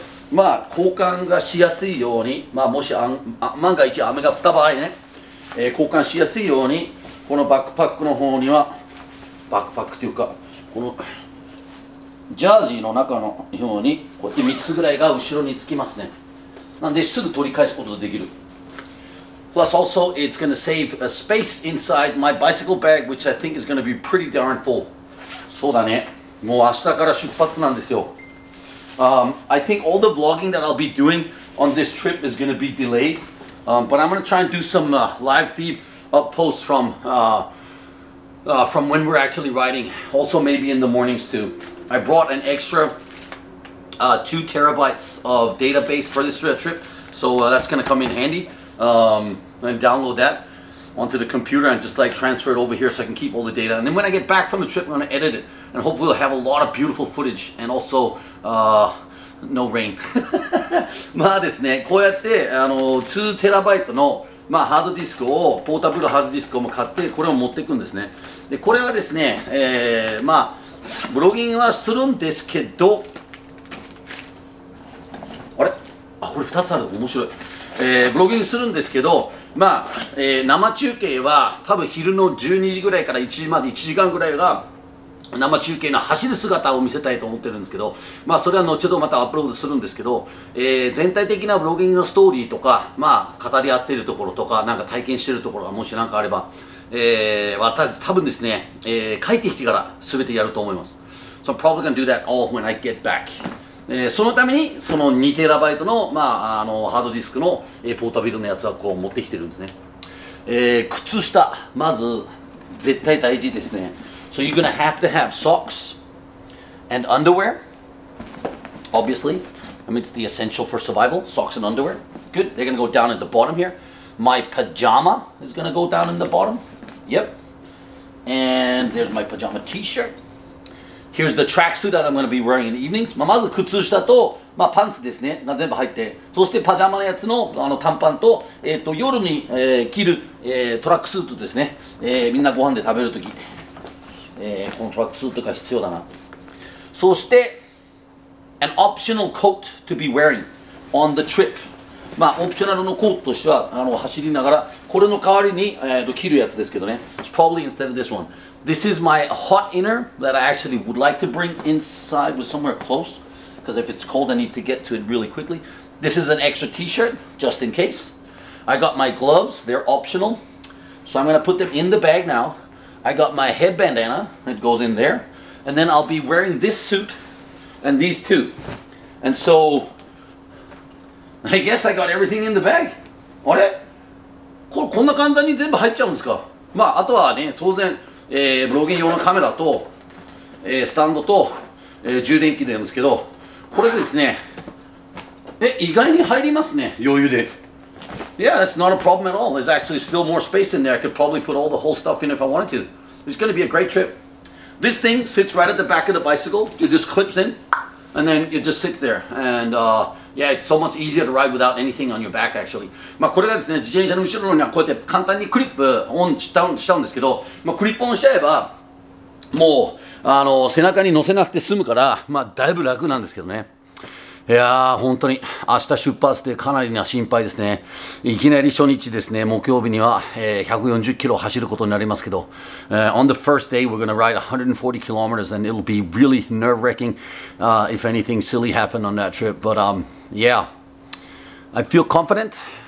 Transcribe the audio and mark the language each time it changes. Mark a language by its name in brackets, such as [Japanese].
[Japanese] まあ交換がしやすいように、まあもし万が一雨が降った場合ね、交換しやすいようにこのバックパックの方にはバックパックというかこのジャージーの中のようにこうやって3つぐらいが後ろにつきますね。なんですぐ取り返すことができる。 [English] Plus also it's gonna save a space inside my bicycle bag which I think is gonna be pretty darn full. [Japanese] そうだね、もう明日から出発なんですよ。 [English] I think all the vlogging that I'll be doing on this trip is going to be delayed. But I'm going to try and do some live feed up posts from when we're actually riding. Also maybe in the mornings too. I brought an extra 2 terabytes of database for this trip. So that's going to come in handy. And download that onto the computer and just like transfer it over here so I can keep all the data. And then when I get back from the trip, I'm going to edit it. And hopefully we'll have a lot of beautiful footage and also no rain. [Japanese] まあですね、こうやってあの 2TB の、まあ、ハードディスクを、ポータブルハードディスクを買ってこれを持っていくんですね。で、これはですね、まあ、ブロギングはするんですけど、あれ？あ、これ2つある。面白い。ブロギングするんですけど、まあ、生中継は多分昼の12時ぐらいから1時まで1時間ぐらいが生中継の走る姿を見せたいと思ってるんですけど、まあそれは後ほどまたアップロードするんですけど、全体的なブロギングのストーリーとか、まあ語り合っているところとか、なんか体験しているところがもし何かあれば、私多分ですね、帰ってきてから全てやると思います。 [English] So I'm probably gonna do that all when I get back. [Japanese] そのためにその 2TB の、まあ、あのハードディスクの、ポータビルのやつはこう持ってきてるんですね。靴下、まず絶対大事ですね。 [English] So you're gonna have to have socks and underwear, obviously. I mean, it's the essential for survival, socks and underwear. Good, they're gonna go down at the bottom here. My pajama is gonna go down in the bottom. Yep. And there's my pajama t-shirt. Here's the tracksuit that I'm gonna be wearing in the evenings. [Japanese] まあ、まず靴下と、まあ、パンツですね、が全部入って、そしてパジャマのやつの、あの短パンと、夜に、着る、トラックスーツですね、みんなご飯で食べるとき。このトラックスーツが必要だな。そして、 [English] an optional coat to be wearing on the trip。 [Japanese] まあ、オプショナルのコートとしては、あの走りながら、これの代わりに、着るやつですけどね。 [English] It's probably instead of this one. This is my hot inner that I actually would like to bring inside with somewhere close. Because if it's cold, I need to get to it really quickly. This is an extra t-shirt, just in case. I got my gloves, they're optional. So I'm going to put them in the bag now. I got my head bandana, it goes in there. And then I'll be wearing this suit and these two. And so, I guess I got everything in the bag. [Japanese] あれ？これこんな簡単に全部入っちゃうんですか？まあ、あとはね、当然、ブロギング用のカメラと、スタンドと、充電器なんですけど、これですね、意外に入りますね、余裕で。 [English] Yeah, that's not a problem at all. There's actually still more space in there. I could probably put all the whole stuff in if I wanted to. It's going to be a great trip. This thing sits right at the back of the bicycle. It just clips in and then it just sits there. And yeah, it's so much easier to ride without anything on your back actually. [Japanese] まあこれがですね、自転車の後ろにはこうやって簡単にクリップオンしたんですけど、まあクリップオンしちゃえばもうあの背中に乗せなくて済むから、まあだいぶ楽なんですけどね。いやー本当に明日出発でかなりな心配ですね。いきなり初日ですね、木曜日には、140キロ走ることになりますけど、 [English] On the first day we're gonna ride 140 kilometers and it'll be really nerve-wracking、if anything silly happened on that trip. But yeah, I feel confident,